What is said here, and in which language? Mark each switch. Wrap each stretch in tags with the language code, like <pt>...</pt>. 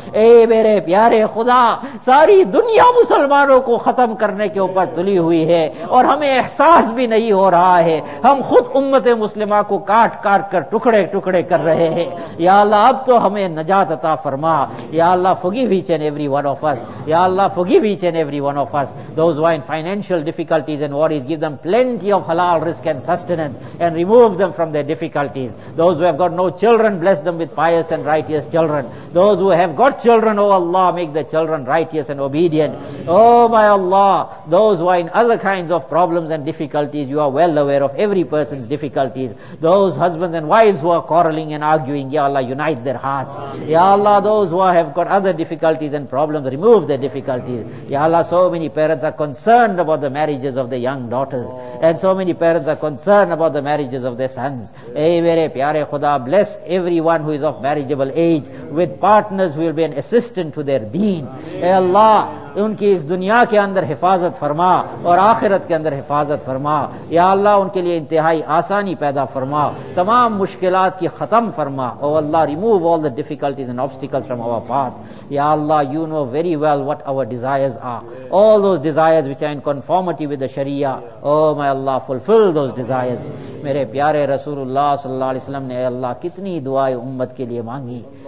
<ur>اے میرے پیارے خدا, ساری دنیا مسلمانوں کو ختم کرنے کے اوپر تلی ہوئی ہے اور ہمیں احساس بھی نہیں ہو رہا ہے. ہم خود امت مسلمہ کو کاٹ کاٹ کر ٹکڑے ٹکڑے کر رہے ہیں. یا اللہ, اب تو ہمیں نجات عطا فرما.</ur> <en>یا Allah, forgive each and every one of us. یا Allah, forgive each and every one of us. Those who are in financial difficulties and worries, give them plenty of halal risk and sustenance and remove them from their difficulties. Those who have got no children, bless them with pious and righteous children. Those who have got children, oh Allah, make the children righteous and obedient. Oh my Allah, those who are in other kinds of problems and difficulties, you are well aware of every person's difficulties. Those husbands and wives who are quarreling and arguing, Ya Allah, unite their hearts. Ya Allah, those who have got other difficulties and problems, remove their difficulties. Ya Allah, so many parents are concerned about the marriages of their young daughters, and so many parents are concerned about the marriages of their sons.</en> <ur>Ey mere pyare khuda,</ur> <en>bless everyone who is of marriageable age with partners who will be an assistant to their deen.</en> <ur>Ey Allah, ان کی اس دنیا کے اندر حفاظت فرما اور آخرت کے اندر حفاظت فرما. یا اللہ, ان کے لیے انتہائی آسانی پیدا فرما, تمام مشکلات کی ختم فرما.</ur> <en>او Allah, remove all the difficulties and obstacles from our path. یا Allah, you know very well what our desires are, all those desires which are in conformity with the sharia. Oh my Allah, fulfill those desires.</en> <ur>میرے پیارے رسول اللہ صلی اللہ علیہ وسلم نے, اے اللہ, کتنی دعائیں امت کے لیے مانگی.</ur>